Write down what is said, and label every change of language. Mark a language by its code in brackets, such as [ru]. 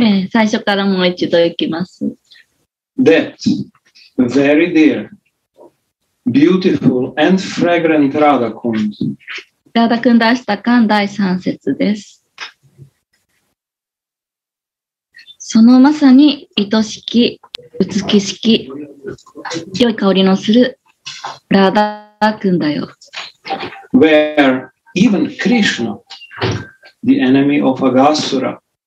[ja] 最初からもう一度いきます。 [en] That very dear, beautiful and fragrant Radha Kund. [ja] ラダクンダシタカン第3節です。そのまさに愛しき、美しき、良い香りのするラダクンだよ。 [en] Where even Krishna, the enemy of Agasura,